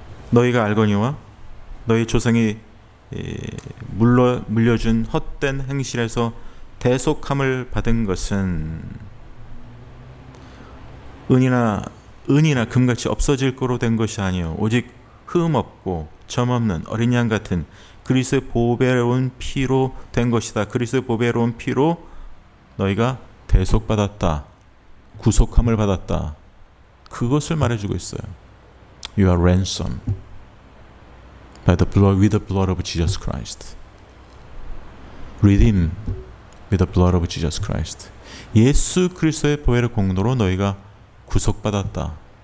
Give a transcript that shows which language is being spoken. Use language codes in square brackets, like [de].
[ko] 너희가 알거니와 너희 조상이 물려준 헛된 행실에서 대속함을 받은 것은 은이나 금같이 없어질 거로 된 것이 아니요 오직 흠 없고 점 없는 어린 양 같은 그리스도의 보배로운 피로 된 것이다. 그리스도의 보배로운 피로 너희가 대속받았다. 구속함을 받았다. 그것을 말해주고 있어요. [en] You are ransomed by the blood, with the blood of Jesus Christ. Redeemed with the blood of Jesus Christ. [ko] 예수 그리스도의 보혈의 공로로 너희가 구속받았다.